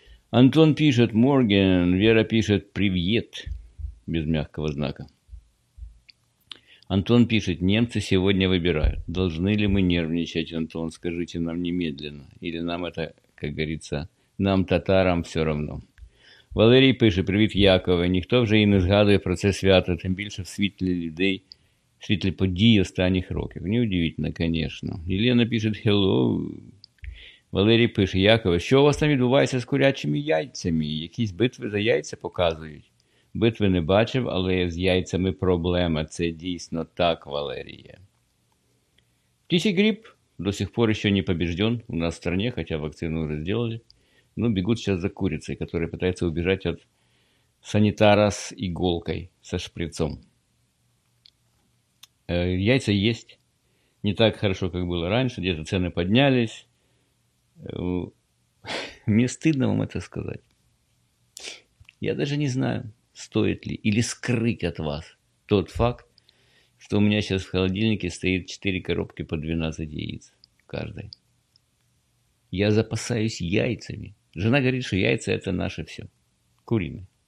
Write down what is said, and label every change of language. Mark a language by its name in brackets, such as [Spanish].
[Russian] Антон пишет: «Морген», Вера пишет: «Привет», без мягкого знака. Антон пишет: «Немцы сегодня выбирают. Должны ли мы нервничать, Антон, скажите нам немедленно? Или нам это, как говорится, нам, татарам, все равно?» Валерий пишет: «Привет, Якове. [Ukrainian] Ніхто вже і не згадує про це свято, тим більше в світлі людей, в світлі подій останніх років». [Russian] Неудивительно, конечно. Елена пишет: «Hello». Валерий пишет: [Ukrainian] «Якове, що у вас там відбувається з курячими яйцями? Якісь битви за яйця показують?» Битви не бачив, але з яйцями проблема. Це дійсно так, [Russian] Валерія. Птичий грип до сих пор ще не побежден у нас в стране, [Ukrainian] хоча вакцину вже зробили. Ну, бігуть зараз за курицей, яка [Russian] пытается убежать [Ukrainian] від санітара з іголкою, [Russian] со шприцом. [Ukrainian] Яйця є. Не так хорошо, як було раніше. Десь ціни піднялись. Мені стидно вам це сказати. Я навіть не знаю, [Russian] стоит ли или скрыть от вас тот факт, что у меня сейчас в холодильнике стоит 4 коробки по 12 яиц каждой. Я запасаюсь яйцами. Жена говорит, что яйца – это наше все. Куриные.